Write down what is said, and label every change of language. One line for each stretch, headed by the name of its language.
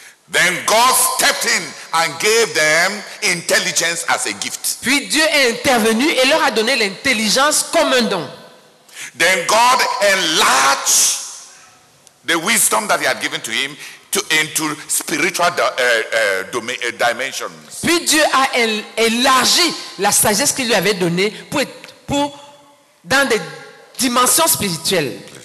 English: Then God stepped in and gave them intelligence as a gift.
French: Puis Dieu est intervenu et leur a donné l'intelligence comme un don.
English: Then God enlarged the wisdom that he had given to him to into spiritual dimensions.
French: Puis Dieu a élargi la sagesse qu'il lui avait donnée pour dans des dimensions spirituelles.